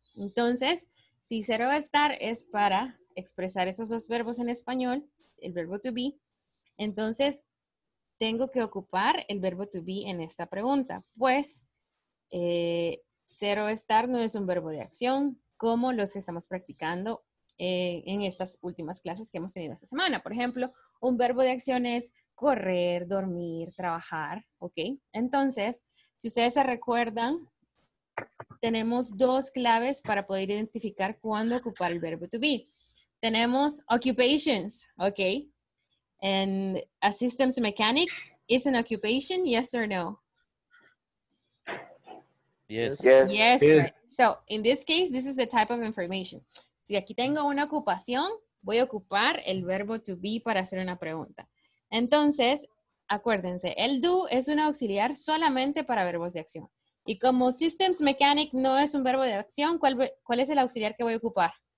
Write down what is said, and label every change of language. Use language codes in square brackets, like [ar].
[es] Entonces, si cero estar es para expresar esos dos verbos en español, el verbo to be, entonces tengo que ocupar el verbo to be en esta pregunta, pues cero estar no es un verbo de acción como los que estamos practicando en estas últimas clases que hemos tenido esta semana. Por ejemplo, un verbo de acción es correr, dormir, trabajar, ¿ok? Entonces, si ustedes se recuerdan, tenemos dos claves para poder identificar cuándo ocupar el verbo to be. Tenemos occupations, ¿ok? [en] And a systems mechanic is an occupation, yes or no? Yes. So, in this case, this is the type of information. [es] Si aquí tengo una ocupación, voy a ocupar el verbo to be para hacer una pregunta. Entonces, acuérdense, el do es un auxiliar solamente para verbos de acción. Y como systems mechanic no es un verbo de acción, ¿cuál es el auxiliar que voy a ocupar?